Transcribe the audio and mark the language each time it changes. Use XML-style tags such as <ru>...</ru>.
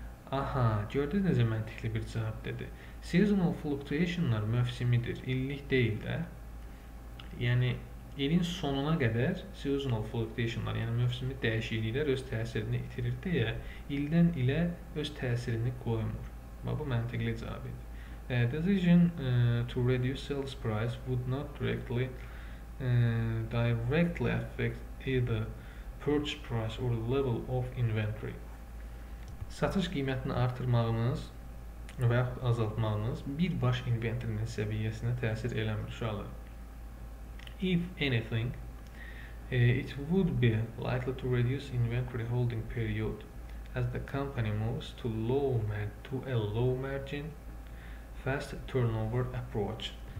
<az>Aha, gördünüz necə məntiqli bir cavab dedi. Seasonal fluctuationlar mövsimidir, illik deyil də. Yəni, ilin sonuna qədər seasonal fluctuationlar, yəni mövsimi dəyişikliklər öz təsirini itirir deyə, ildən ilə öz təsirini qoymur. Bu məntiqli cavab idi.</az> <en>Decision to reduce sales price would not directly directly affect either purchase price or level of inventory.</en> <az>Satış qiymətini artırmağınız və yaxud azaltmağınız birbaş inventorinin səviyyəsinə təsir eləmir uşaqlar.</az> <en>If anything, it would be likely to reduce inventory holding period as the company moves to a low margin, fast turnover approach.</en>